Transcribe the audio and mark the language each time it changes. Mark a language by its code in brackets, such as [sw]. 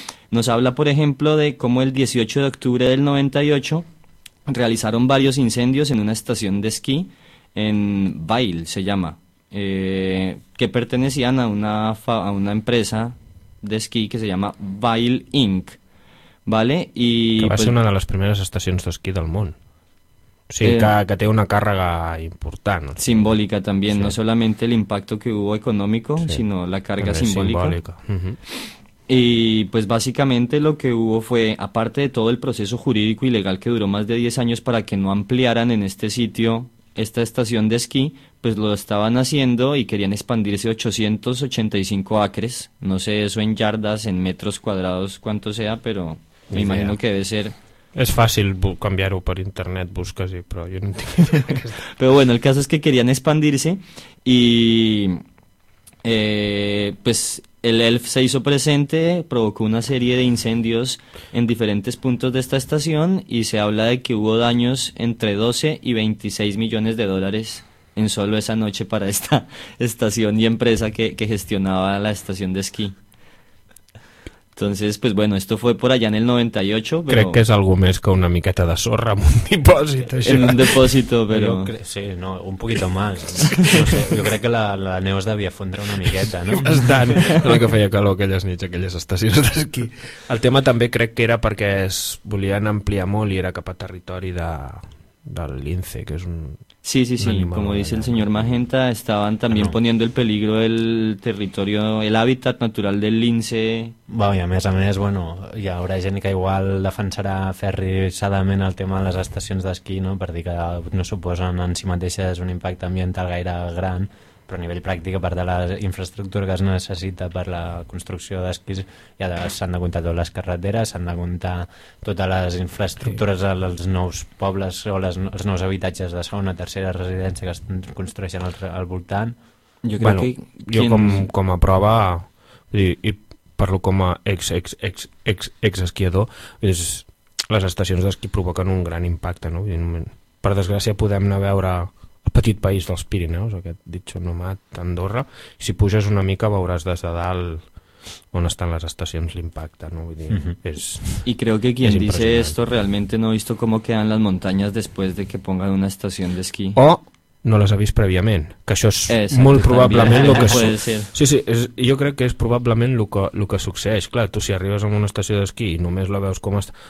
[es] Nos habla, por ejemplo, de cómo el 18 de octubre del 98 realizaron varios incendios en una estación de esquí en Vail, se llama, que pertenecían a una empresa de esquí que se llama Vail Inc., ¿vale? Y [ca] que va pues, ser una de les primeres estacions d'esquí del món. O sigui, que té una càrrega important. Simbòlica també, sí. No solament l'impacte que [es] hubo [ca] econòmic, sí, sinó la càrrega simbòlica. [es] Y pues básicamente lo que hubo fue, aparte de todo el proceso jurídico y legal que duró más de 10 años para que no ampliaran en este sitio esta estación de esquí, pues lo estaban haciendo y querían expandirse 885 acres, no sé eso en yardas, en metros cuadrados, cuánto sea, pero me imagino que debe ser... Es fácil cambiarlo por internet, buscas y... pero yo no entiendo. Pero bueno, el caso es que querían expandirse y pues el ELF se hizo presente, provocó una serie de incendios en diferentes puntos de esta estación y se habla de que hubo daños entre 12 y 26 millones de dólares en solo esa noche para esta estación y empresa que gestionaba la estación de esquí. Entonces, pues bueno, esto fue por allá en el 98, pero... [ca] Crec que és algo més que una miqueta de sorra en un dipòsit, això. [es] En un depósito, però... Sí, no, un poquito más. No sé, [ca] jo crec que la neu es devia fondre una miqueta, no? Bastant. El que feia calor aquelles nits, aquelles estacions d'esquí. El tema també crec que era perquè es volien ampliar molt i era cap a territori del lince, que és un... [es] Sí, sí, sí, como dice el señor Magenta, estaban también poniendo el peligro del territorio, el hábitat natural del lince. [ca] Bueno, y a més, bueno, hi haurà gent que igual defensarà ferrissadament el tema de les estacions d'esquí, no?, per dir que no suposen en si mateixes un impacte ambiental gaire gran, però a nivell pràctic, a part de la infraestructura que es necessita per la construcció d'esquís, ja s'han de comptar totes les carreteres, s'han de comptar totes les infraestructures als nous pobles o els nous habitatges de segona o tercera residència que es construeixen al voltant. Jo crec com a prova, i parlo com a ex-esquiador, les estacions d'esquí provoquen un gran impacte, no? Per desgràcia podem anar a veure el petit país dels Pirineus, aquest ditxo nomat Andorra, i si puges una mica veuràs des de dalt on estan les estacions l'impacte, no? Vull dir, [es] I creo que quien dice esto realmente no ha visto cómo quedan las montañas después de que pongan una estación de esquí. [ca] O no les ha vist prèviament, que això és molt probablement el que... jo crec que és probablement el que succeeix. Clar, tu si arribes a una estació d'esquí i només la veus com està...